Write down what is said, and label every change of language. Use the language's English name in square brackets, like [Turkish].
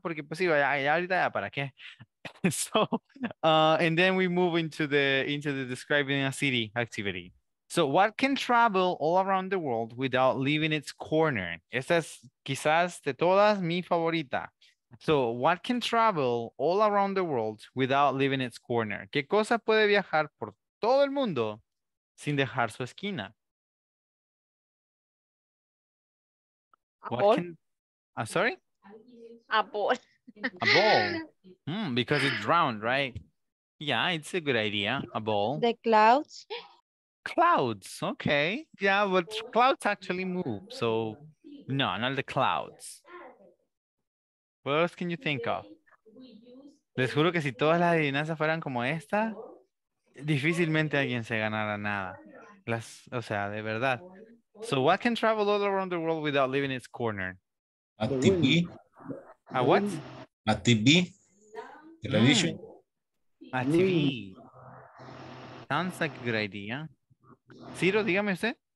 [Spanish] Porque pues sí, ya, ya ahorita ya para qué. [English] So, and then we move into the describing a city activity. So, what can travel all around the world without leaving its corner? Esta es quizás de todas mi favorita. So, what can travel all around the world without leaving its corner? [Spanish] ¿Qué cosa puede viajar por todo el mundo sin dejar su esquina? [English] A ball. Mm, because it's round, right? Yeah, it's a good idea. A ball. The clouds. Clouds, okay. Yeah, but clouds actually move. So, no, not the clouds. What else can you think of? [Spanish] Les juro que si todas las adivinanzas fueran como esta, difícilmente alguien se ganara nada. Las, o sea, de verdad. [English] So, what can travel all around the world without leaving its corner? A TV. A what? A TV. Television. A TV. Sounds like a good idea. Ciro, dígame usted.